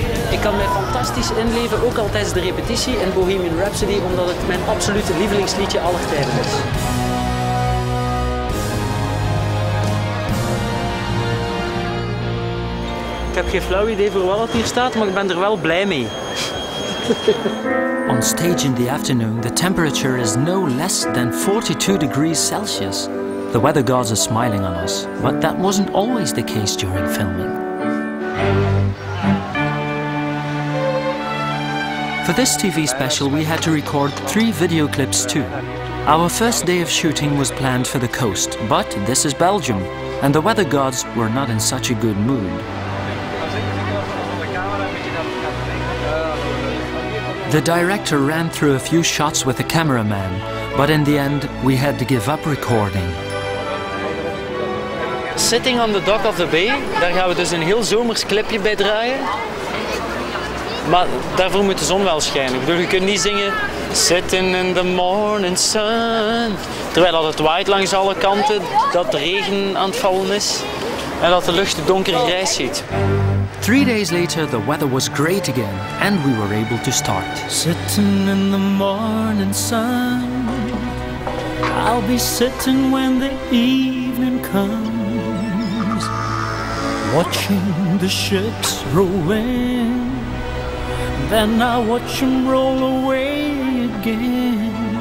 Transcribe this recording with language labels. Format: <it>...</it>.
<nl>Ik kan mij fantastisch inleven, ook al tijdens de repetitie in Bohemian Rhapsody, omdat het mijn absolute lievelingsliedje aller tijden is. Ik heb geen flauw idee voor wat het hier staat, maar ik ben er wel blij mee.</nl> <en>On stage in the afternoon, the temperature is no less than 42 degrees Celsius. The weather gods are smiling on us, but that wasn't always the case during filming. For this TV special, we had to record three video clips too. Our first day of shooting was planned for the coast, but this is Belgium, and the weather gods were not in such a good mood. The director ran through a few shots with the cameraman, but in the end, we had to give up recording. Sitting on the dock of the bay,</en> <nl>daar gaan we dus een heel zomers clipje bij draaien. Maar daarvoor moet de zon wel schijnen. Ik bedoel, je kunt niet zingen</nl> <en>sitting in the morning sun.</en> <nl>Terwijl dat het waait langs alle kanten, dat de regen aan het vallen is en dat de lucht donkergrijs ziet.</nl> <en>3 days later, the weather was great again and we were able to start. Sitting in the morning sun. I'll be sitting when the evening comes. Watching the ships roll in. Then I watch him roll away again.</en>